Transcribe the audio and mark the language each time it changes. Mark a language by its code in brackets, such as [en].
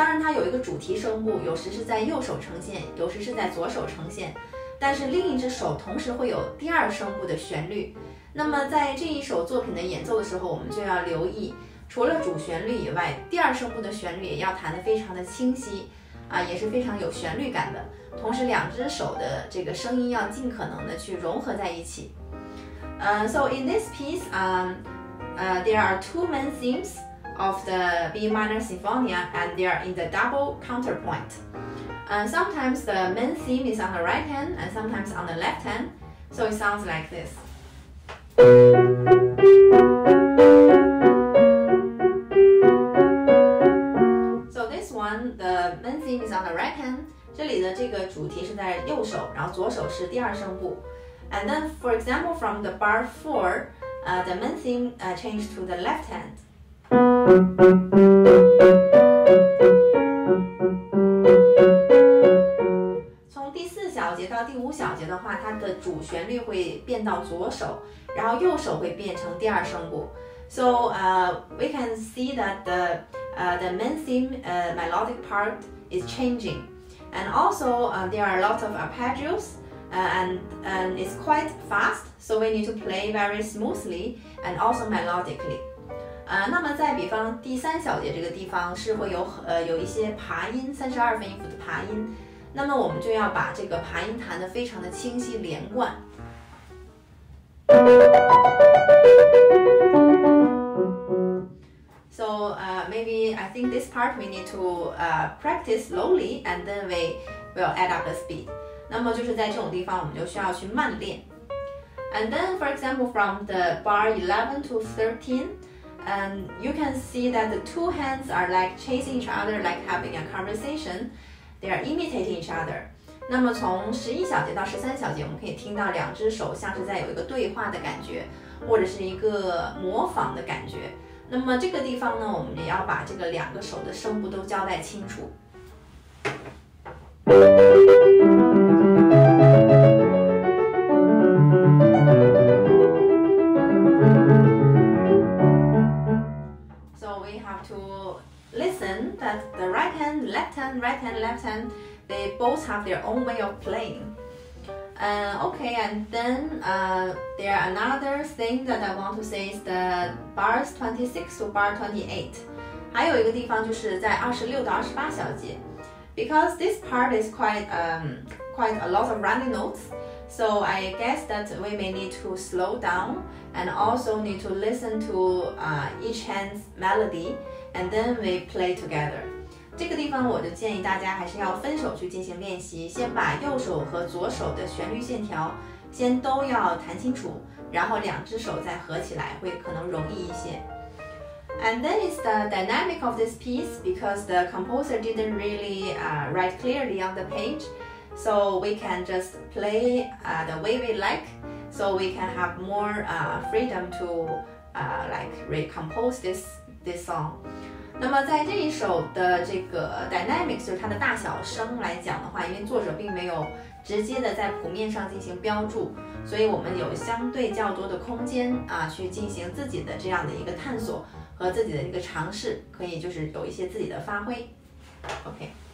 [zh] 当然它有一个主题声部，有时是在右手呈现，有时是在左手呈现，但是另一只手同时会有第二声部的旋律。那么在这一首作品的演奏的时候，我们就要留意除了主旋律以外，第二声部的旋律也要弹得非常的清晰啊，也是非常有旋律感的，同时两只手的这个声音要尽可能的去融合在一起。 [en] So in this piece, there are two main themes of the B minor symphonia and they are in the double counterpoint. Sometimes the main theme is on the right hand and sometimes on the left hand, so it sounds like this. Is on the right hand. [zh] 这里的这个主题是在右手，然后左手是第二声部。 [en] And then, for example, from the bar 4, the main theme changed to the left hand. From [zh] 第四小节到第五小节的话，它的主旋律会变到左手，然后右手会变成第二声部。 [en] So, we can see that the main theme, melodic part. Is changing, and also there are a lot of arpeggios, and it's quite fast, so we need to play very smoothly and also melodically. [zh] 那么在比方第三小节这个地方是会有一些爬音，32分音符的爬音，那么我们就要把这个爬音弹得非常的清晰连贯。 [en] Maybe I think this part we need to practice slowly and then we will add up the speed. [zh] 那么就是在这种地方我们就需要去慢练。 [en] And then for example from the bar 11 to 13, and you can see that the two hands are like chasing each other, like having a conversation. They are imitating each other. [zh] 那么从11小节到13小节我们可以听到两只手像是在有一个对话的感觉，或者是一个模仿的感觉。那么这个地方呢，我们也要把这个两个手的声部都交代清楚。 [en] So we have to listen that the right hand, left hand, they both have their own way of playing. Okay, and then there are another thing that I want to say is the bars 26 to bar 28. [zh] 还有一个地方就是在26到28小节 [en] because this part is quite a lot of running notes. So I guess that we may need to slow down and also need to listen to each hand's melody and then we play together. [zh] 这个地方我就建议大家还是要分手去进行练习，先把右手和左手的旋律线条先都要弹清楚，然后两只手再合起来会可能容易一些。 [en] And then is the dynamic of this piece because the composer didn't really write clearly on the page, so we can just play the way we like, so we can have more freedom to like recompose this song. [zh] 那么在这一首的这个 dynamics 就是它的大小声来讲的话，因为作者并没有直接的在谱面上进行标注，所以我们有相对较多的空间啊，去进行自己的这样的一个探索和自己的一个尝试，可以就是有一些自己的发挥。 OK